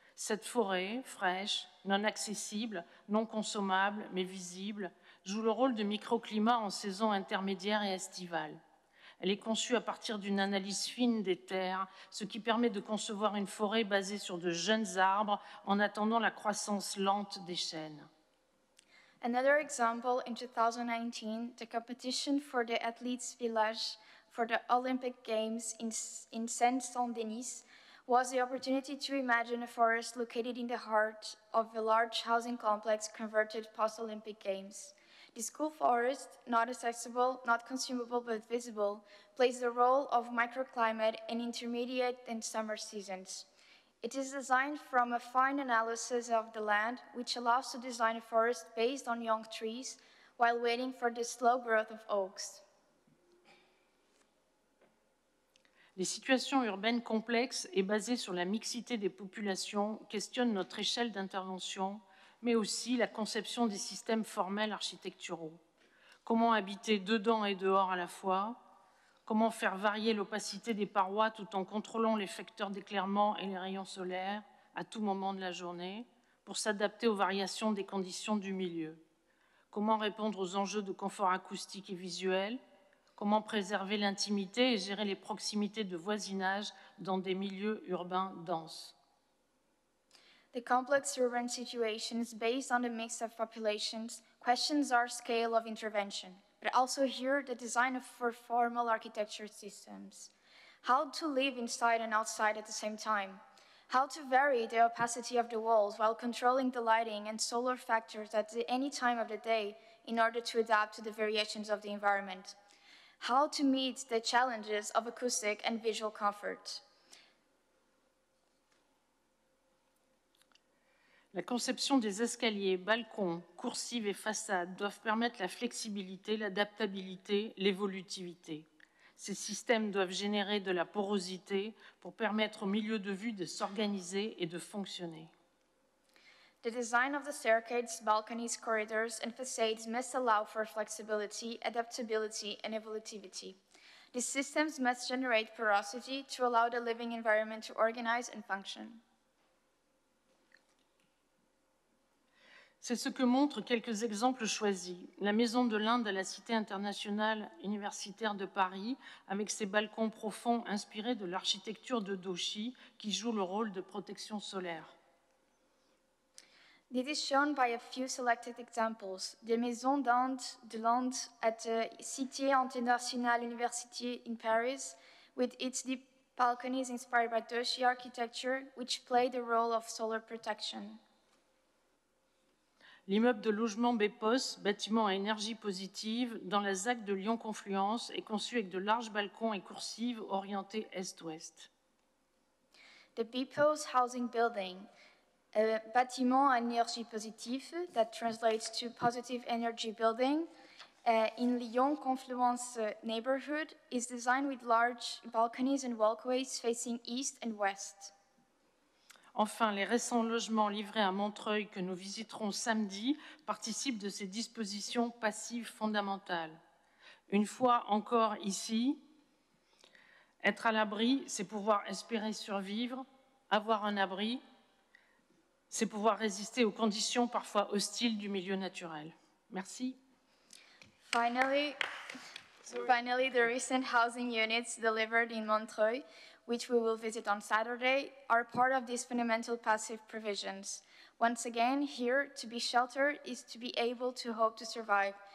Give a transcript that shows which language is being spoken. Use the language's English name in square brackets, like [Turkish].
[French] Cette forêt, fraîche, non accessible, non consommable, mais visible, joue le rôle de microclimat en saison intermédiaire et estivale. Elle est conçue à partir d'une analyse fine des terres, ce qui permet de concevoir une forêt basée sur de jeunes arbres en attendant la croissance lente des chênes. [English] Another example, in 2019, the competition for the athletes' village for the Olympic Games in Seine-Saint-Denis was the opportunity to imagine a forest located in the heart of a large housing complex converted post-Olympic Games. This cool forest, not accessible, not consumable, but visible, plays the role of microclimate in intermediate and summer seasons. It is designed from a fine analysis of the land, which allows to design a forest based on young trees while waiting for the slow growth of oaks. [French] Les situations urbaines complexes et basées sur la mixité des populations questionnent notre échelle d'intervention, mais aussi la conception des systèmes formels architecturaux. Comment habiter dedans et dehors à la fois? Comment faire varier l'opacité des parois tout en contrôlant les facteurs d'éclairement et les rayons solaires à tout moment de la journée pour s'adapter aux variations des conditions du milieu? Comment répondre aux enjeux de confort acoustique et visuel? Comment préserver l'intimité et gérer les proximités de voisinage dans des milieux urbains denses? [English] The complex urban situations based on the mix of populations questions our scale of intervention, but also here the design for formal architecture systems. How to live inside and outside at the same time? How to vary the opacity of the walls while controlling the lighting and solar factors at any time of the day in order to adapt to the variations of the environment. How to meet the challenges of acoustic and visual comfort. [French] La conception des escaliers, balcons, coursives et façades doivent permettre la flexibilité, l'adaptabilité, l'évolutivité. Ces systèmes doivent générer de la porosité pour permettre au milieu de vue de s'organiser et de fonctionner. [English] The design of the staircases, balconies, corridors and facades must allow for flexibility, adaptability and evolutivity. These systems must generate porosity to allow the living environment to organize and function. [French] C'est ce que montrent quelques exemples choisis. La Maison de l'Inde à la Cité internationale universitaire de Paris, avec ses balcons profonds inspirés de l'architecture de Doshi, qui joue le rôle de protection solaire. [English] This is shown by a few selected examples. The Maison d'Inde de l'Inde at the Cité internationale université in Paris, with its deep balconies inspired by Doshi architecture, which play the role of solar protection. [French] L'immeuble de logement BEPOS, bâtiment à énergie positive, dans la ZAC de Lyon-Confluence, est conçu avec de larges balcons et coursives orientés est-ouest. [English] The BEPOS housing building, a [French] bâtiment à énergie positive, [English] that translates to positive energy building, in Lyon-Confluence neighborhood, is designed with large balconies and walkways facing east and west. [French] Enfin, les récents logements livrés à Montreuil que nous visiterons samedi participent de ces dispositions passives fondamentales. Une fois encore ici, être à l'abri, c'est pouvoir espérer survivre. Avoir un abri, c'est pouvoir résister aux conditions parfois hostiles du milieu naturel. Merci. [English] Finally, the recent housing units delivered in Montreuil, which we will visit on Saturday, are part of these fundamental passive provisions. Once again, here, to be sheltered is to be able to hope to survive.